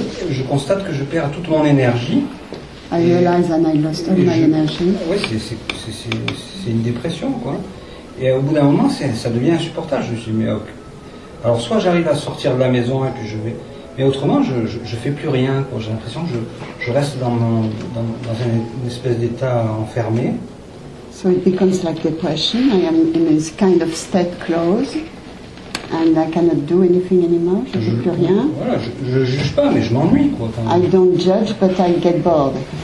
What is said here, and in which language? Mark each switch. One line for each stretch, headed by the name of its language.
French: Je constate que je perds toute mon énergie.
English: I realize that I lost all my energy.
French: Oui, c'est une dépression, quoi. Et au bout d'un moment, ça devient insupportable. Je me dis, mais ok. Alors, soit j'arrive à sortir de la maison et puis je vais. Mais autrement, je fais plus rien. Quoi. J'ai l'impression que je reste dans une espèce d'état enfermé.
English: So it becomes like depression. I am in this kind of state closed, and I cannot do anything anymore.
French: Je fais plus rien. Voilà, je juge pas, mais je m'ennuie. Quoi, quand même.
English: I don't judge, but I get bored.